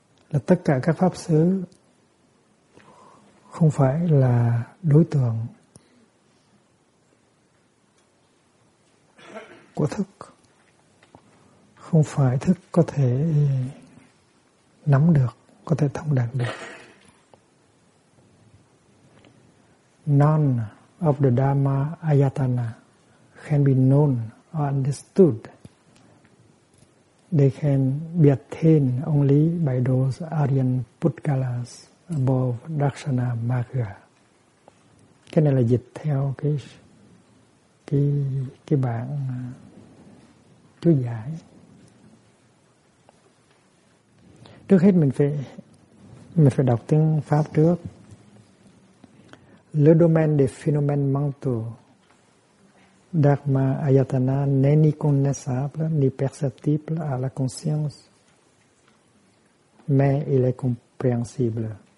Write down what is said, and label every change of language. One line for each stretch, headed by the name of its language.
Vietnamese: Là tất cả các pháp xứ không phải là đối tượng của thức, không phải thức có thể nắm được, có thể thông đạt được.
English: None of the Dhamma Ayatana can be known or understood. They can be attained only by those Aryan Putkalas above Darsana Marga.
Vietnamese: Cái này là dịch theo cái bản chú giải. Trước hết mình phải đọc tiếng Pháp trước.
French: Le domaine des phénomènes mentaux, Dharma ayatana n'est ni connaissable ni perceptible à la conscience, mais il est compréhensible.